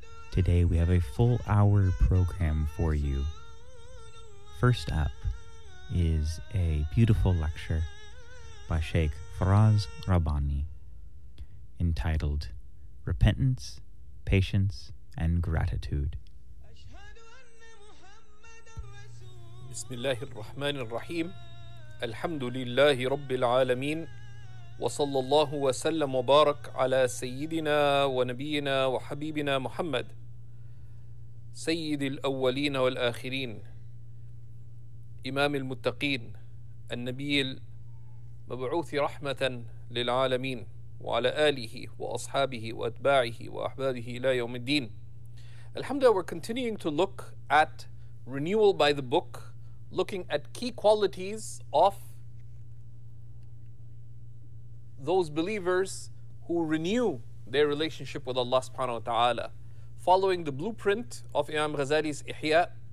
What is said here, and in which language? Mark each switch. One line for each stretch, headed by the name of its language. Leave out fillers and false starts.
English: Today we have a full hour program for you. First up is a beautiful lecture by Sheikh Faraz Rabbani entitled Repentance, Patience, and Gratitude.
Arabic: بسم الله الرحمن الرحيم الحمد لله رب العالمين وصلى الله وسلم وبارك على سيدنا ونبينا وحبيبنا محمد سيد الأولين والآخرين إمام المتقين النبي المبعوث رحمة للعالمين وعلى آله وأصحابه وأتباعه وأحبابه إلى يوم الدين.
English: الحمد لله, we're continuing to look at renewal by the book, looking at key qualities of those believers who renew their relationship with Allah subhanahu wa ta'ala, following the blueprint of Imam Ghazali's Ihya.